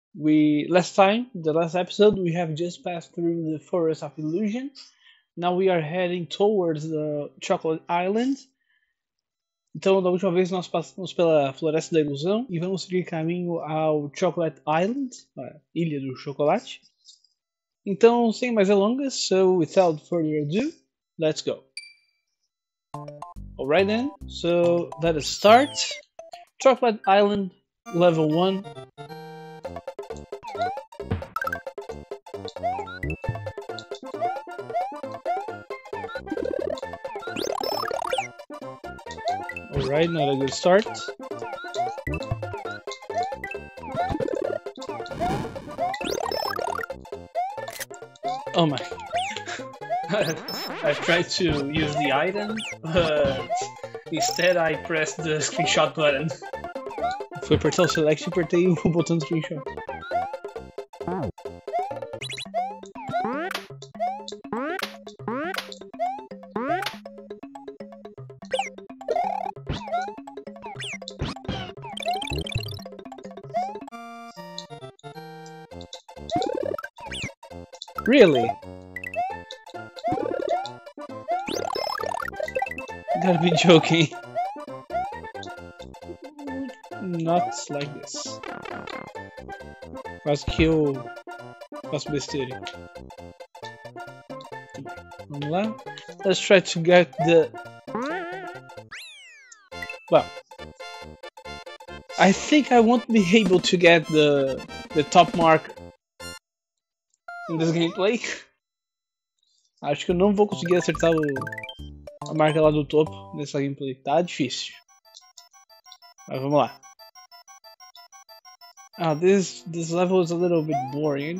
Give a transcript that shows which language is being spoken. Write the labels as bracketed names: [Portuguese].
[English] The last episode, we have just passed through the Forest of Illusion. Now we are heading towards the Chocolate Island. [Portuguese] Então, da última vez nós passamos pela Floresta da Ilusão e vamos seguir caminho ao Chocolate Island, a Ilha do Chocolate. Então, sem mais delongas, [English] so without further ado, let's go. Alright then, so let us start. Chocolate Island, level 1. Alright, not a good start. Oh my. I've tried to use the item, but instead I pressed the screenshot button. [Portuguese] Foi por tal select, apertei o botão de screenshot. [English] Really? Gotta be joking. Not like this. [Portuguese] Quase que eu faço besteira. Vamos lá. [English] Let's try to get the... Well. I think I won't be able to get the top mark in this gameplay. [Portuguese] Acho que eu não vou conseguir acertar a marca lá do topo nessa gameplay. Tá difícil. Mas vamos lá. [English] Ah, this level is a little bit boring.